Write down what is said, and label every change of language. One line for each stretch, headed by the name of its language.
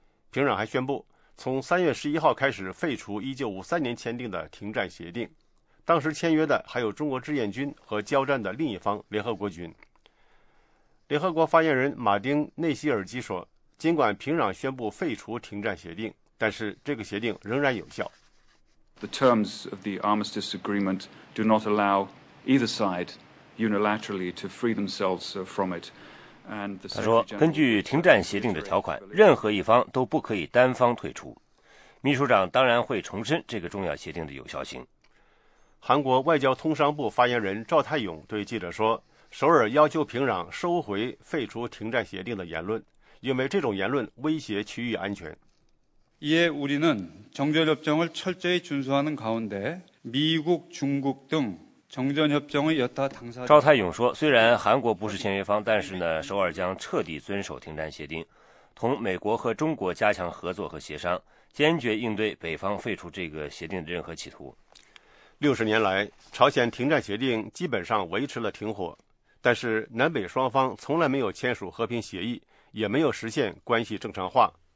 Chinese: 平壤还宣布从3月11号开始废除1953年签订的停战协定，当时签约的还有中国志愿军和交战的另一方联合国军。联合国发言人马丁内希尔基说，尽管平壤宣布废除停战协定，但是这个协定仍然有效。
English: The terms of the armistice agreement do not allow either side unilaterally to free themselves from it。
Chinese: 他说，根据停战协定的条款，任何一方都不可以单方退出。秘书长当然会重申这个重要协定的有效性。韩国外交通商部发言人赵泰勇对记者说，首尔要求平壤收回废除停战协定的言论，因为这种言论威胁区域安全。
Korean: 이에우리는정전협정을철저히준수하는가운데미국중국등정전협정의여타당사자
Chinese: 赵泰勇说，虽然韩国不是签约方，但是呢，首尔将彻底遵守停战协定，同美国和中国加强合作和协商，坚决应对北方废除这个协定的任何企图。 60年来，朝鲜停战协定基本上维持了停火，但是南北双方从来没有签署和平协议，也没有实现关系正常化。